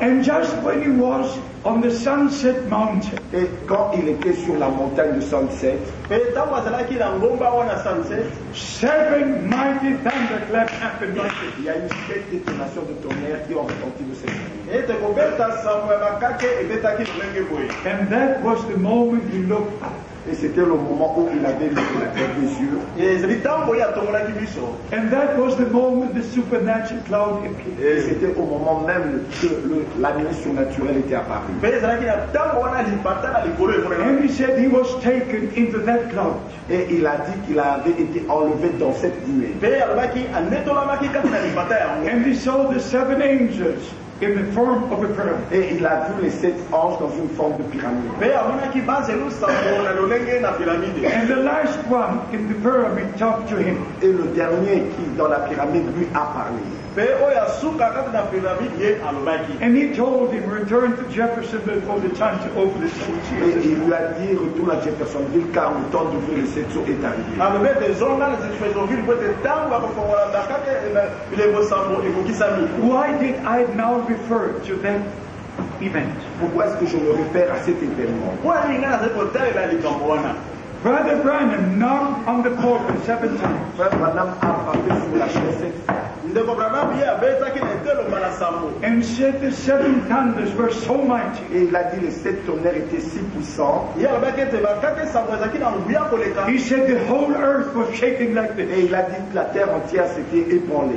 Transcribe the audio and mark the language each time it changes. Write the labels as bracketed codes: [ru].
[en] And just when he was on the Sunset Mountain. [fr] Et quand il était sur la montagne de Sunset. [en] Seven mighty thunderclaps happened. [fr] Il y a eu sept détonations de tonnerre qui ont retenti le Seigneur. [en] And that was the moment he looked up. [fr] Et le moment où il avait levé la tête des yeux. [en] And that was the moment the supernatural cloud appeared. [fr] Et c'était au moment même que la nuée surnaturelle était apparue. [en] And he said he was taken into that cloud. [fr] Et il a dit qu'il avait été enlevé dans cette nuée. [en] And he saw the seven angels. In the form of a pyramid. [fr] Et il a vu les sept anges dans une forme de pyramide. [en] And the last one in the pyramid talked to him. [fr] Et le dernier qui dans la pyramide lui a parlé. [en] And he told him, return to Jeffersonville for the time to open the seats. [fr] Et il lui a dit, retourne à Jeffersonville car le temps d'ouvrir les sept seaux est arrivé. [en] Why did I now refer to that event? [fr] Pourquoi est-ce que je me réfère à cet événement? [en] Brother Branham knocked on the portal seven times. [fr] Frère Branham a frappé sur la chaise sept fois. [en] And said the seven thunders were so mighty. [fr] Et il a dit les sept tonnerres étaient si puissants. [en] He said the whole earth was shaking like this. [fr] Et il a dit que la terre entière s'était ébranlée.